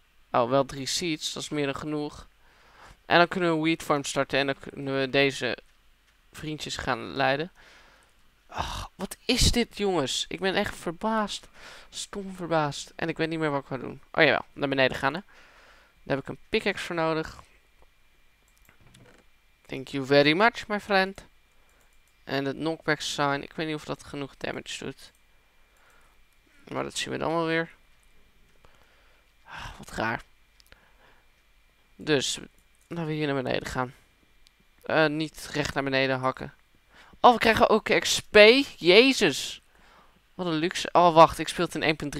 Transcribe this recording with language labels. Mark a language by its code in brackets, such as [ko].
[nl] Oh, wel 3 seeds. Dat is meer dan genoeg. En dan kunnen we een wheat farm starten. En dan kunnen we deze vriendjes gaan leiden. Ach, wat is dit, jongens? Ik ben echt verbaasd. Stom verbaasd. En ik weet niet meer wat ik ga doen. Oh jawel, naar beneden gaan, hè. Daar heb ik een pickaxe voor nodig. [en] Thank you very much, my friend. [nl] En het knockback sign. Ik weet niet of dat genoeg damage doet. Maar dat zien we dan wel weer. Ah, wat raar. Dus, laten we hier naar beneden gaan. Niet recht naar beneden hakken. Oh, we krijgen ook XP. Jezus. Wat een luxe. Oh, wacht. Ik speel het in 1.3.